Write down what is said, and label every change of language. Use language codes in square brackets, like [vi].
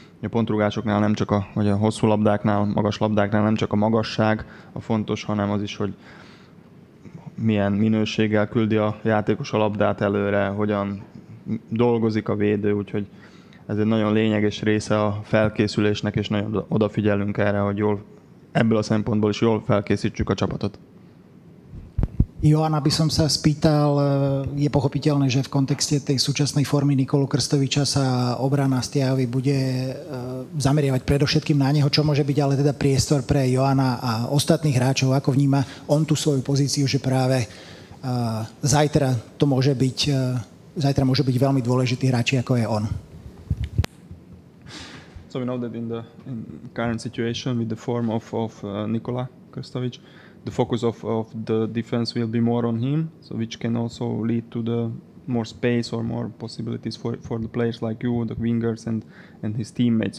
[hu] A pontrugásoknál nem csak vagy a hosszú labdáknál, magas labdáknál nem csak a magasság a fontos, hanem az is, hogy milyen minőséggel küldi a játékos a labdát előre, hogyan dolgozik a védő, úgyhogy ez egy nagyon lényeges része a felkészülésnek, és nagyon odafigyelünk erre, hogy jól, ebből a szempontból is jól felkészítsük a csapatot. [sk] Joana, by som sa spýtal, je pochopiteľné, že v kontexte tej súčasnej formy Nikolu Krstoviča sa obrana Stiavy bude zameriavať predovšetkým na neho, čo môže byť ale teda priestor pre Joana a ostatných hráčov, ako vníma on tú svoju pozíciu, že práve zajtra to môže byť, zajtra môže byť veľmi dôležitý hráč, ako je on. [en] So we know that in current situation with the form of Nikola Krstovič, the focus of the defense will be more on him, so which can also lead to the more space or more possibilities for the players like you, the wingers and his teammates.